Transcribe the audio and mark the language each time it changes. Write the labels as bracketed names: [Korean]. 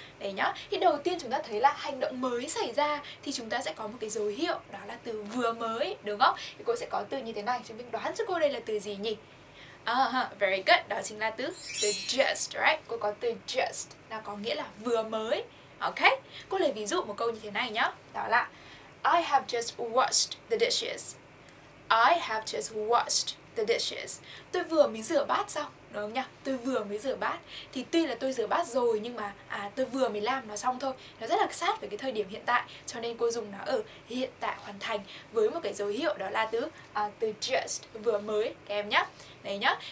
[Vietnamese] Đấy nhá, thì đầu tiên chúng ta thấy là hành động mới xảy ra thì chúng ta sẽ có một cái dấu hiệu, đó là từ vừa mới, đúng không? Thì cô sẽ có từ như thế này, chúng mình đoán cho cô đây là từ gì nhỉ? [English] Very good, [Vietnamese] đó chính là từ just, right? Cô có từ just, nó có nghĩa là vừa mới. Ok, cô lấy ví dụ một câu như thế này nhá. Đó là [English] I have just washed the dishes. I have just washed the dishes. [Vietnamese] Tôi vừa mới rửa bát xong, đúng không nhỉ? Tôi vừa mới rửa bát. Thì tuy là tôi rửa bát rồi nhưng mà tôi vừa mới làm nó xong thôi. Nó rất là sát với cái thời điểm hiện tại, cho nên cô dùng nó ở hiện tại hoàn thành với một cái dấu hiệu, đó là từ từ just, vừa mới các em nhá. Đấy nhá.